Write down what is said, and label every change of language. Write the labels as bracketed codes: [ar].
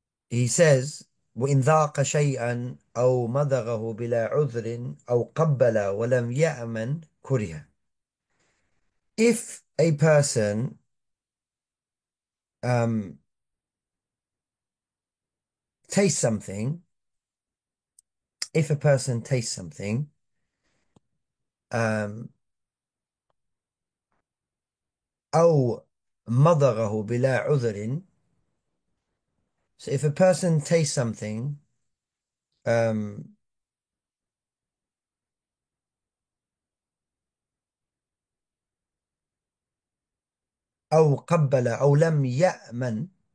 [en] He says, [ar] وإن ذاق شيئا أو مضغه بلا عذر أو قبل ولم يأمن كره. [en] If a person tastes something, if a person tastes something, [ar] أو مضغه بلا عذر. [en] So if a person tastes something, [ar] أو قبل أو لم يأمن